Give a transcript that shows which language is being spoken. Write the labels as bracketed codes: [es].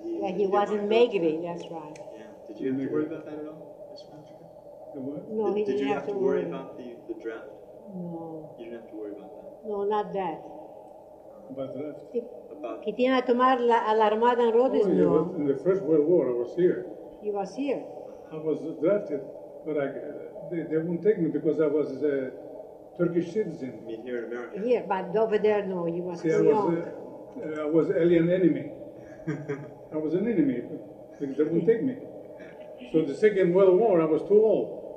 [en] he wasn't Megri, that's right. Yeah. Did you have to worry about that at all, Ms. Francesca? No, he didn't have to worry about the draft? No. You didn't have to worry about that? No, not that. About the draft? [es] Que tiene a tomar la armada en Rhodes, no. [en] In the First World War, I was here. You was here? I was drafted, but they wouldn't take me because I was a Turkish citizen. You mean here in America? Here, but over there, no, you was young. I was alien enemy. I was an enemy, because they wouldn't take me. So the Second World War, I was too old.